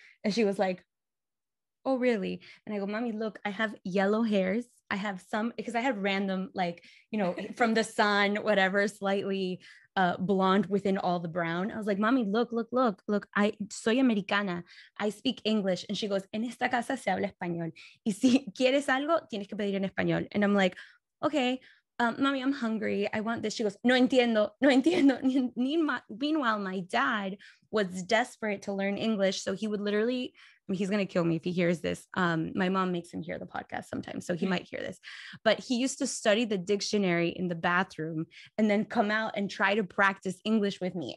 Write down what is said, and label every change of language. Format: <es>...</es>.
<en>And she was like, oh, really? And I go, Mami, look, I have yellow hairs. I have some, because I have random, like, you know, from the sun, whatever, slightly blonde within all the brown. I was like, Mami, look, I</en> <es>soy Americana.</es> <en>I speak English. And she goes,</en> <es>en esta casa se habla español. Y si quieres algo, tienes que pedir en español.</es> <en>And I'm like, okay, Mami, I'm hungry. I want this. She goes,</en> <es>no entiendo.</es> <en>Meanwhile, my dad was desperate to learn English. So he would literally, he's going to kill me if he hears this. My mom makes him hear the podcast sometimes, so he might hear this. But he used to study the dictionary in the bathroom and then come out and try to practice English with me.</en>